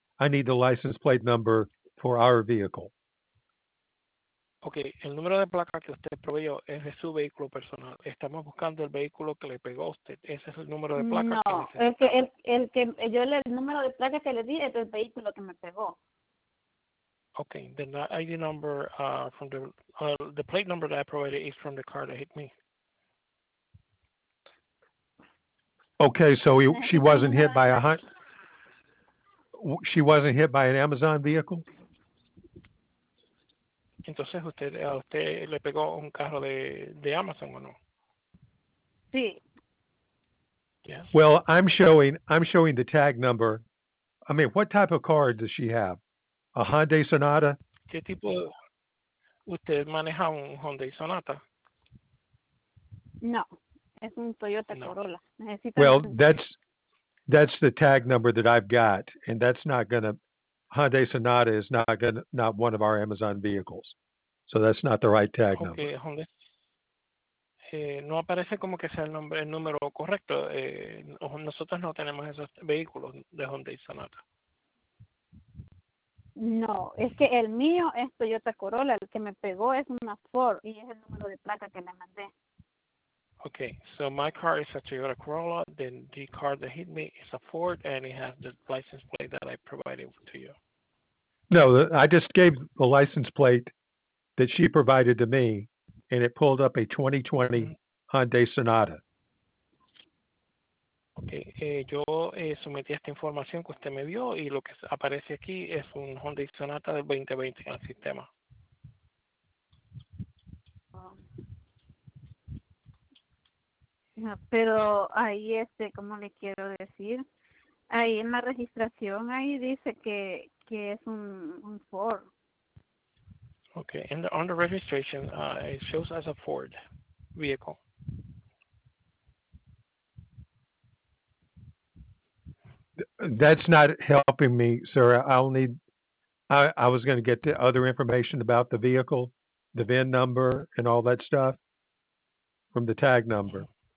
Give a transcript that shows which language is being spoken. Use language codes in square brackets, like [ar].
[en] I need the license plate number for our vehicle. [es] Okay, el número de placa que usted proveyó es de su vehículo personal. Estamos buscando el vehículo que le pegó a usted. Ese es el número de placa. No, que es que el número de placa que le di es del vehículo que me pegó. [en] Okay, then the ID number from the plate number that I provided is from the car that hit me. Okay, so she wasn't hit by a hunt. She wasn't hit by an Amazon vehicle. [es] Entonces, ¿a usted le pegó un carro de Amazon o no? Sí. [en] Yes. Well, I'm showing the tag number. I mean, what type of car does she have? A Hyundai Sonata? [es] ¿Qué tipo? ¿Usted maneja un Hyundai Sonata? No, es un Toyota Corolla. Necesita [en] that's the tag number that I've got, and that's not going to... Hyundai Sonata is not one of our Amazon vehicles. So that's not the right tag okay, number. [es] Okay, no aparece como que sea el número correcto. Nosotros no tenemos esos vehículos de Hyundai Sonata. No, es que el mío es Toyota Corolla. El que me pegó es una Ford y es el número de placa que le mandé. [en] Okay, so my car is a Toyota Corolla, then the car that hit me is a Ford, and it has the license plate that I provided to you. No, I just gave the license plate that she provided to me, and it pulled up a 2020 Hyundai Sonata. [es] Okay, yo sometí esta información que usted me dio, y lo que aparece aquí es un Hyundai Sonata del 2020 en el sistema. Pero ahí como le quiero decir, ahí en la registración ahí dice que es un Ford. [en] Okay, and on the registration, it shows as a Ford vehicle. That's not helping me, sir. I'll need, I was going to get the other information about the vehicle, the VIN number and all that stuff from the tag number.